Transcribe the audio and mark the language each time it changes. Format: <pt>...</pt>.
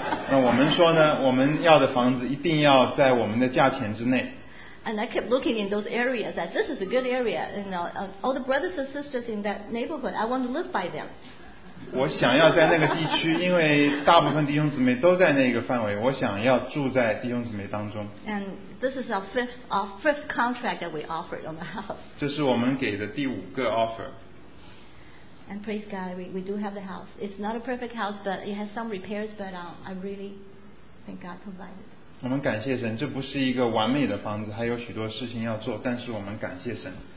<zh>那我们说呢，我们要的房子一定要在我们的价钱之内。</zh> <en>And I kept looking in those areas. That this is a good area. And all the brothers and sisters in that neighborhood, I want to live by them.</en> <zh>我想要在那个地区，因为大部分弟兄姊妹都在那个范围。我想要住在弟兄姊妹当中。</zh> <en>And this is our fifth contract that we offered on the house.</en> <zh>这是我们给的第五个 offer.</zh> <en>And praise God, we do have the house. It's not a perfect house, but it has some repairs. But I really thank God provided.</en> <zh>我们感谢神，这不是一个完美的房子，还有许多事情要做，但是我们感谢神。</zh>